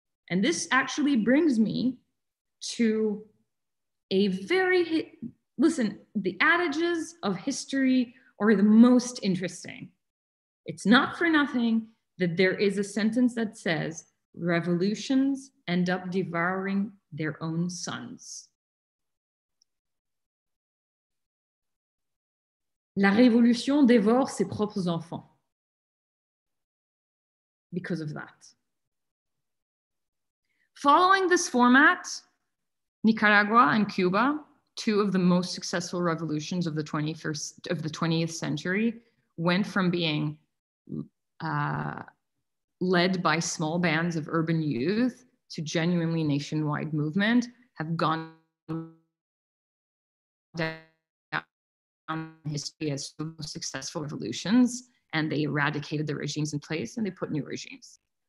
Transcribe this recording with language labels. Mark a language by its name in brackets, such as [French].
[English] And this actually brings me to a very, listen, the adages of history are the most interesting. It's not for nothing that there is a sentence that says, revolutions end up devouring their own sons. [French] La révolution dévore ses propres enfants. [English] Because of that. Following this format, Nicaragua and Cuba, two of the most successful revolutions of the 20th century, went from being led by small bands of urban youth to genuinely nationwide movement, have gone down history as the most successful revolutions, and they eradicated the regimes in place and they put new regimes.